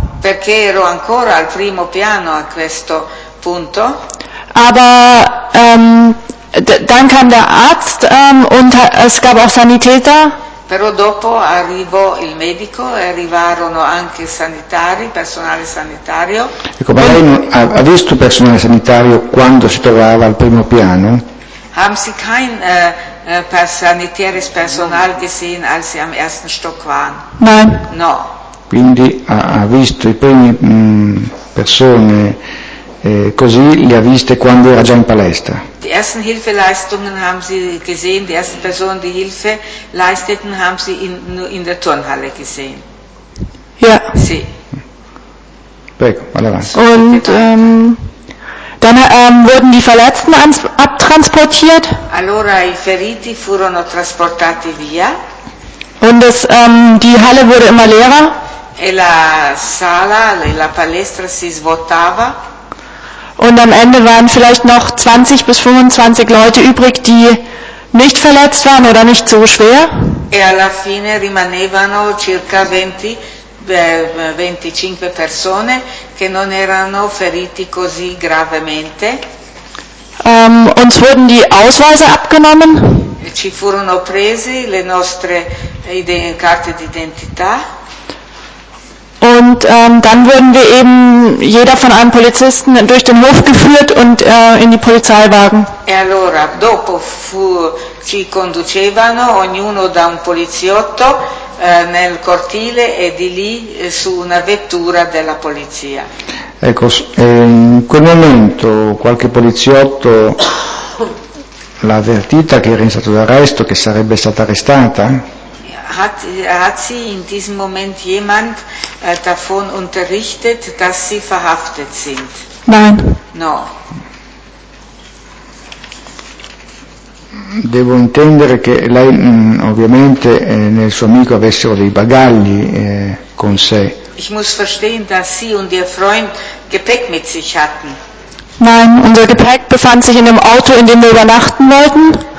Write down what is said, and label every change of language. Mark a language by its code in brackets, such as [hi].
[it] Perché ero ancora al primo piano a questo punto. [de] Aber dann kam der Arzt und es gab auch Sanitäter. [it] Però dopo arrivò il medico e arrivarono anche sanitari, personale sanitario. Ecco, ma lei ha visto personale sanitario quando si trovava al primo piano? [de] Haben Sie kein sanitäres Personal gesehen, als Sie am ersten Stock waren? Nein. [it] No. Quindi ha visto i primi persone così, li ha viste quando era già in palestra. [de] Die ersten Hilfeleistungen haben Sie gesehen, die ersten Personen, die Hilfe leisteten, haben Sie in der Turnhalle gesehen. Ja. [it] Sì. Prego, allora. [de] Und dann wurden die Verletzten abtransportiert. [it] Allora i feriti furono trasportati via. [de] Und die Halle wurde immer leerer. [it] E la sala, la palestra si svuotava. [de] Und am Ende waren vielleicht noch 20 bis 25 Leute übrig, die nicht verletzt waren oder nicht so schwer. [it] E alla fine rimanevano circa 25 persone che non erano feriti così gravemente. [de] Uns wurden die Ausweise abgenommen. [it] Ci furono presi le nostre carte d'identità. [de] Und dann wurden wir eben jeder von einem Polizisten durch den Hof geführt und in die Polizeiwagen. [it] E allora dopo ci conducevano ognuno da un poliziotto nel cortile e di lì su una vettura della polizia. Ecco, in quel momento qualche poliziotto l'ha avvertita che era in stato d'arresto, che sarebbe stata arrestata? [de] Hat sie in diesem Moment jemand davon unterrichtet, dass sie verhaftet sind? Nein. [it] No. Devo intendere che lei ovviamente nel suo amico avessero dei bagagli con sé. [de] Ich muss verstehen, dass sie und ihr Freund Gepäck mit sich hatten. Nein, unser Gepäck befand sich in dem Auto, in dem wir übernachten wollten.